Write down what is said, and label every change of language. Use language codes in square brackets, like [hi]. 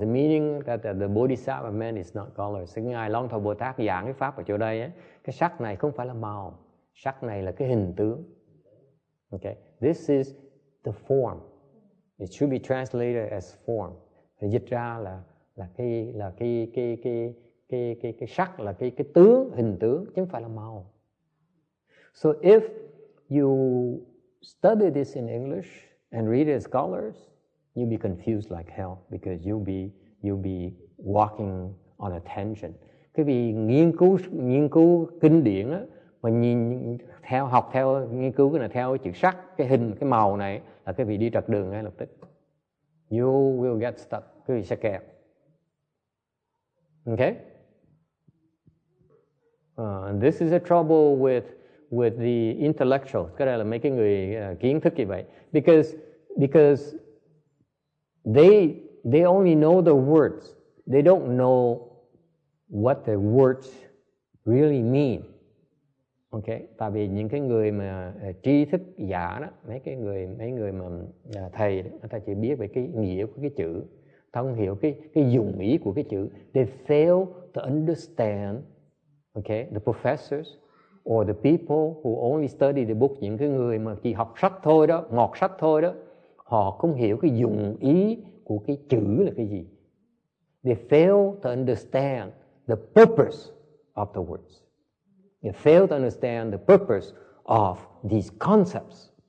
[en] The meaning that the bodhisattva meant is not colors. [vi] Cái ngài Long Thọ Bồ Tát giảng cái pháp ở chỗ đây ấy, cái sắc này không phải là màu, sắc này là cái hình tướng. [en] Okay, this is the form. It should be translated as form. [vi] Dịch ra là cái sắc, là cái tướng, hình tướng, chứ không phải là màu. [en] So if you study this in English and read it as colors, you'll be confused like hell because you'll be walking on a tangent. [vi] Cái vì nghiên cứu kinh điển á, mà nhìn theo học theo nghiên cứu cái này theo cái chữ sắc, cái hình, cái màu này là cái vị đi trật đường ngay lập tức. [en] You will get stuck. [vi] Cái vị sẽ kẹt. [en] Okay? This is a trouble with the intellectual. [vi] Cái này là mấy cái người kiến thức như vậy. [en] Because they only know the words. They don't know what the words really mean. [vi] Okay, tại vì những cái người mà tri thức giả đó, mấy người mà thầy đó, người ta chỉ biết về cái nghĩa của cái chữ, thông hiểu cái dụng ý của cái chữ. [en] They fail to understand, okay, the professors or the people who only study the book. [vi] Những cái người mà chỉ học sách thôi đó, ngọt sách thôi đó, họ không hiểu cái dụng ý của cái chữ là cái gì. [en] They fail to understand the purpose of the words. You fail to understand the purpose of these concepts.